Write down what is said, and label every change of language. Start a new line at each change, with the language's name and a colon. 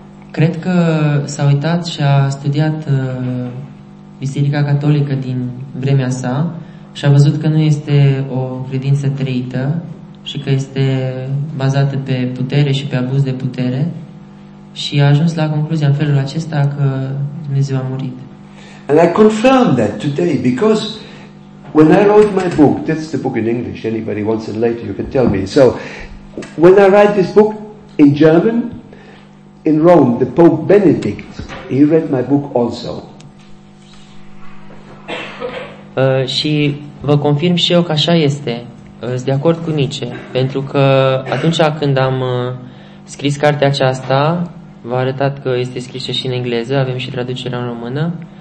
Romanian: Cred că s-a uitat și a studiat Biserica Catolică din vremea sa și a văzut că nu este o credință trăită și că este bazată pe putere și pe abuz de putere și a ajuns la concluzia în felul acesta că Dumnezeu a murit.
English: And I confirm that today because when I wrote my book, that's the book in English, anybody wants it later you can tell me. So when I write this book in German, in Rome, the Pope Benedict, he read my book also.
Romanian: Și vă confirm și eu că așa este. Sunt de acord cu Nietzsche, pentru că atunci când am scris cartea aceasta, v-a arătat că este scrisă și în engleză, avem și traducerea în română.